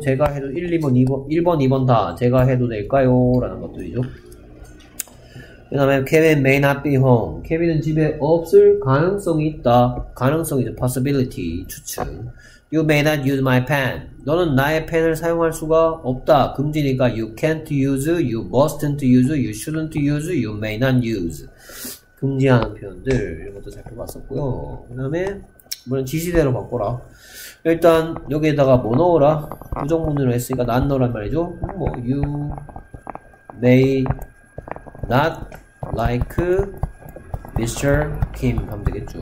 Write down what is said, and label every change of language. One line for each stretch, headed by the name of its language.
Korean: 제가 해도 1, 2번, 2번, 1번, 2번 다 제가 해도 될까요? 라는 것들이죠. 그 다음에
English: Kevin may not be home.
Korean: Kevin은 집에 없을 가능성이 있다. 가능성이죠.
English: Possibility 추측. You may not use my pen.
Korean: 너는 나의 펜을 사용할 수가 없다.
English: 금지니까 you can't use, you mustn't use, you shouldn't use, you may not use.
Korean: 금지하는 표현들 이것도 살펴봤었고요. 그 다음에 물론 지시대로 바꿔라. 일단 여기에다가 뭐 넣어라. 부정문으로 했으니까 난 너란 말이죠.
English: 뭐 you may not like Mr. Kim
Korean: 하면 되겠죠.